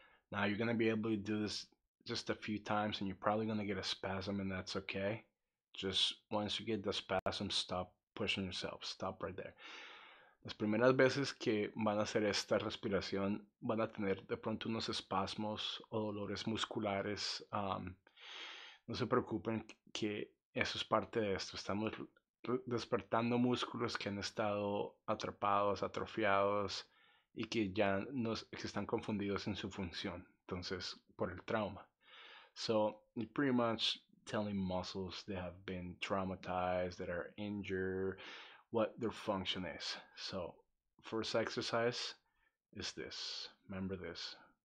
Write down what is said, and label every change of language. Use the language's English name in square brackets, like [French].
[English] Now you're going to be able to do this just a few times and you're probably going to get a spasm and that's okay. Just once you get the spasm, stop pushing yourself. Stop right there. [Spanish] Las primeras veces que van a hacer esta respiración van a tener de pronto unos espasmos o dolores musculares. No se preocupen que eso es parte de esto. Estamos despertando músculos que han estado atrapados, atrofiados y que ya nos están confundidos en su función, entonces por el trauma. [English] So, you're pretty much telling muscles that have been traumatized, that are injured, what their function is. So, first exercise is this. Remember this.